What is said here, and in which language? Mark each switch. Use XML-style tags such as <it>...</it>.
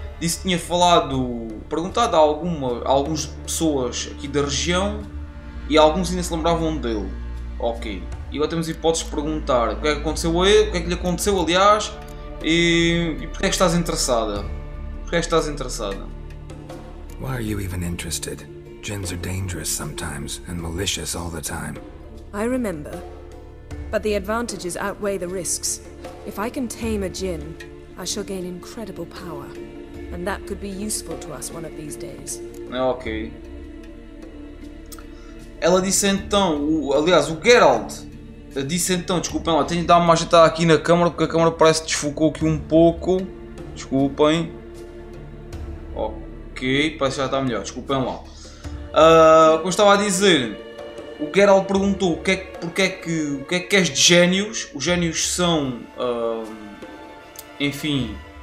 <pt>Disse que tinha perguntado a algumas pessoas aqui da região e alguns ainda se lembravam dele. Ok, e agora temos hipóteses de perguntar o que é que aconteceu a ele, o que é que lhe aconteceu, aliás, e porque é que estás interessada? Porque é que estás interessada?</pt> <en>Why are you even interested? Djinns are dangerous sometimes and malicious all the time. I remember. But the advantages outweigh the risks. If I can tame a djinn, I shall gain incredible power. And that could be useful to us one of these days. Ok.</en> <pt>Ela disse então, aliás, o Geralt disse então, desculpem lá, tenho de dar uma ajeitada aqui na câmara porque a câmara parece que desfocou aqui um pouco. Desculpem. Ok, parece que já está melhor, desculpem lá. Como estava a dizer, o Geralt perguntou o que é que queres de génios. Os génios são, enfim,</pt>